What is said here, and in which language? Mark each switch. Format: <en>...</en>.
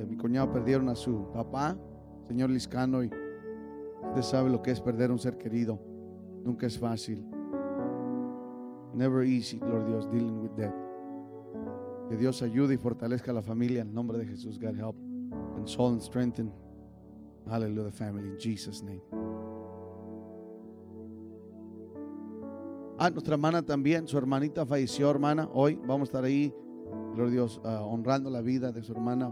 <es>Mi cuñado perdieron a su papá, señor Liscano, y usted sabe lo que es perder a un ser querido. Nunca es fácil.</es> <en>Never easy,</en> <es>gloria a Dios,</es> <en>dealing with death.</en> <es>Que Dios ayude y fortalezca a la familia en nombre de Jesús.</es> <en>God help, console and strengthen. Hallelujah, the family, in Jesus' name.</en> <es>Ah, nuestra hermana también, su hermanita falleció, hermana. Hoy vamos a estar ahí, gloria a Dios, honrando la vida de su hermana.</es>